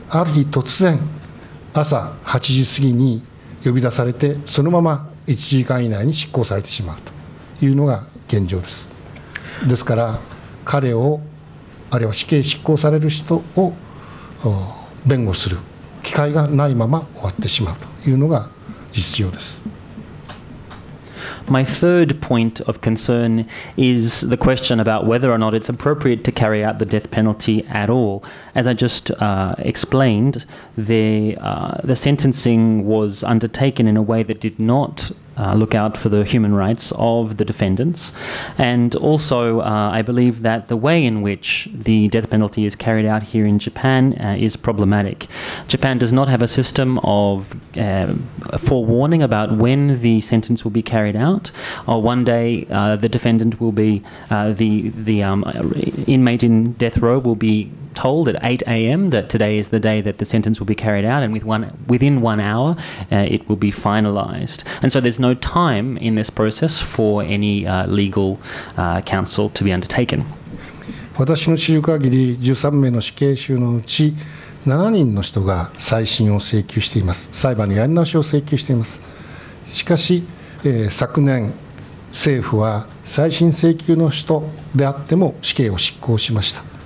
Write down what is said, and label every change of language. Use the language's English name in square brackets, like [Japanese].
[Japanese] ある日突然朝8時過ぎに呼び出されて、そのまま1時間以内に執行されてしまうというのが現状です。ですから彼を、あるいは死刑執行される人を弁護する機会がないまま終わってしまうというのが実情です。 [English] My third point of concern is the question about whether or not it's appropriate to carry out the death penalty at all. As I just explained, the sentencing was undertaken in a way that did not look out for the human rights of the defendants. And also, I believe that the way in which the death penalty is carried out here in Japan is problematic. Japan does not have a system of forewarning about when the sentence will be carried out. One day, the defendant will be, inmate in death row will be told at 8 a.m. that today is the day that the sentence will be carried out, and within 1 hour it will be finalized. And so there's no time in this process for any legal counsel to be undertaken. [Japanese] 私の知る限り、13名の死刑囚のうち7人の人が再審を請求しています。裁判のやり直しを請求しています。しかし、昨年政府は再審請求の人であっても死刑を執行しました。